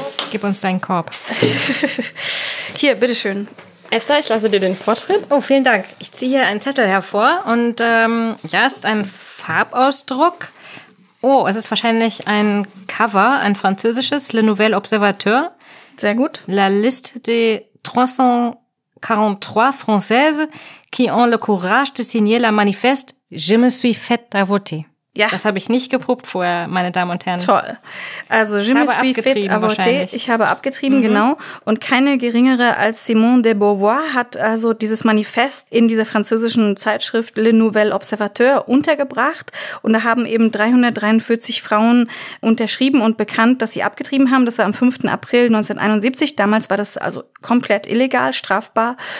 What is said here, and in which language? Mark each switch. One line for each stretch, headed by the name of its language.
German: Gib uns deinen Korb. Hier, bitteschön. Esther, ich lasse dir den Vortritt. Oh, vielen Dank. Ich ziehe hier einen Zettel hervor und da ist ein Farbausdruck. Oh, es ist wahrscheinlich ein Cover, ein französisches, Le Nouvel Observateur. Sehr gut.
French: La liste des 343 Françaises qui ont le courage de signer la manifeste Je me suis fait avorter.
German: Ja. Das habe ich nicht geprobt vorher, meine Damen und Herren. Toll. Also,
French: Je me suis fait avorter.
German: Ich habe abgetrieben, genau. Und keine geringere als Simone de Beauvoir hat also dieses Manifest in dieser französischen Zeitschrift Le Nouvel Observateur untergebracht. Und da haben eben 343 Frauen unterschrieben und bekannt, dass sie abgetrieben haben. Das war am 5. April 1971. Damals war das also komplett illegal, strafbar.